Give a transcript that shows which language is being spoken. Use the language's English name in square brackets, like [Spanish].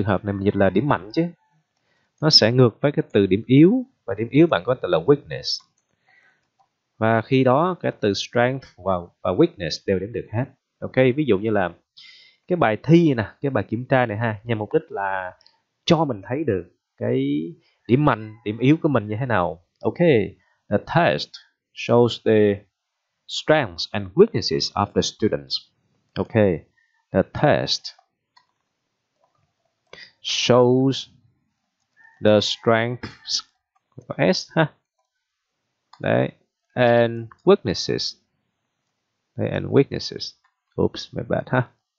[Vietnamese] Trường hợp này mình dịch là điểm mạnh chứ nó sẽ ngược với cái từ điểm yếu, và điểm yếu bạn có từ là weakness, và khi đó cái từ strength và weakness đều đếm được hết. Ok, ví dụ như là cái bài thi nè, cái bài kiểm tra này ha, nhằm mục đích là cho mình thấy được cái điểm mạnh, điểm yếu của mình như thế nào. [English] Ok, the test shows the strengths and weaknesses of the students. Ok, the test shows the strengths [Vietnamese] của S ha. [English] Đấy, and weaknesses. Đấy, and weaknesses. Oops, my bad ha.